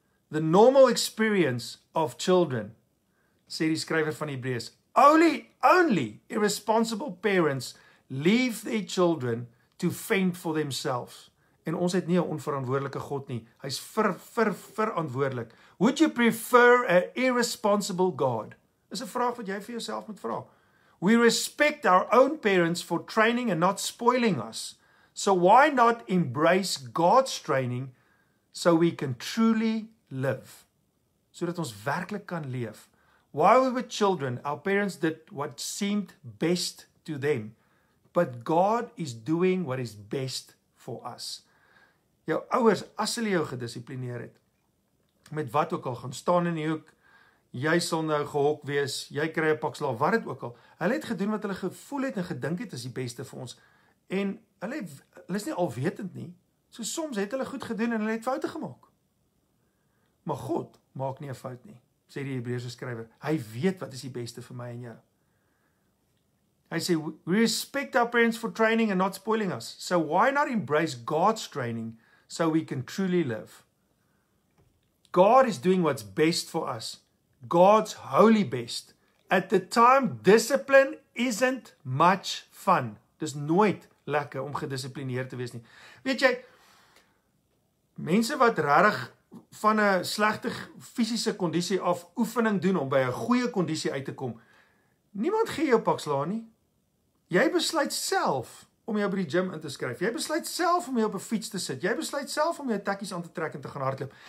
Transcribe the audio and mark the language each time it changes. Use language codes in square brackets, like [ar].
[en] The normal experience of children, [af] sê die skrywer van Hebreërs, [en] only irresponsible parents leave their children to fend for themselves. [af] En ons het nie 'n onverantwoordelike God nie. Hy is verantwoordelik. [en] Would you prefer an irresponsible God? [af] Is 'n vraag wat jy vir jouself moet vra. [en] We respect our own parents for training and not spoiling us. So why not embrace God's training so we can truly live? [af] Sodat ons werklik kan leef. [en] While we were children, our parents did what seemed best to them. But God is doing what is best for us. [af] Jou ouers, as hulle jou gedissiplineer het, met wat ook al, gaan staan in die hoek, jy sal nou gehok wees, jy kry 'n pak slaap, wat het ook al. Hulle het gedoen wat hulle gevoel het en gedink het is die beste vir ons. En hulle is nie alwetend nie. So soms het hulle goed gedoen en hulle het foute gemaak. Maar God maak nie 'n fout nie, sê die Hebreëse skrywer. Hy weet wat is die beste vir my en jou. Hy sê, [en] we respect our parents for training and not spoiling us. So why not embrace God's training so we can truly live? God is doing what's best for us. God's holy best. At the time, discipline isn't much fun. [af] Dis nooit lekker om gedissiplineerd te wees nie. Weet jy, mense wat regtig van 'n slegte fisiese kondisie af oefening doen om by 'n goeie kondisie uit te kom, niemand gee jou pak slaan nie. Jy besluit self om jou by die gym in te skryf. Jy besluit self om jou op 'n fiets te sit. Jy besluit self om jou tekkies aan te trek en te gaan hardloop.